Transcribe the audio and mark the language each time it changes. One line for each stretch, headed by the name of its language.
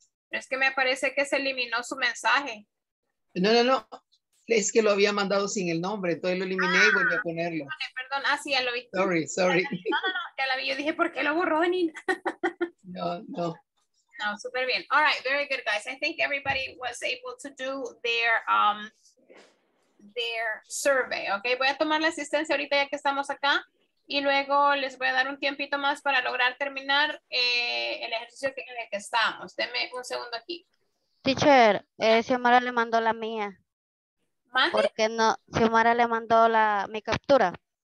Spanish: Es que me parece que se eliminó su mensaje. No, no, no. Es que lo había mandado sin el nombre. Entonces lo eliminé y volví a ponerlo. Okay, perdón. Ah, sí, ya lo vi.
English: Sorry, sorry.
Spanish: No, ya la vi. Yo dije, ¿por qué lo borró, Nina? No, no. No, súper bien.
English: All right, very good, guys. I think everybody was able to do their survey, okay?
Spanish: Voy a tomar la asistencia ahorita ya que estamos acá. Y luego les voy a dar un tiempito más para lograr terminar el ejercicio en el que estamos. Denme un segundo aquí. Teacher, Xiomara le mandó la mía. ¿Mande? Porque no, Xiomara le mandó mi captura.